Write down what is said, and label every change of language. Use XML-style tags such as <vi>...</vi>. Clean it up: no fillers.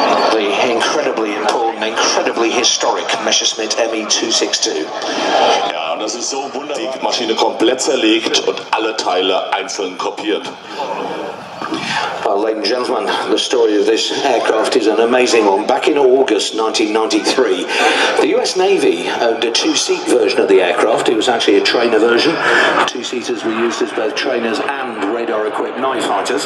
<en>The incredibly important, incredibly historic Messerschmitt ME-262.</en> <de>Ja, und das ist so wunderbar. Die Maschine komplett zerlegt und alle Teile einzeln kopiert.</de> <en>Well, ladies and gentlemen, the story of this aircraft is an amazing one. Back in August 1993, the US Navy owned a two-seat version of the aircraft. It was actually a trainer version. Two-seaters were used as both trainers and radar-equipped knife fighters.</en>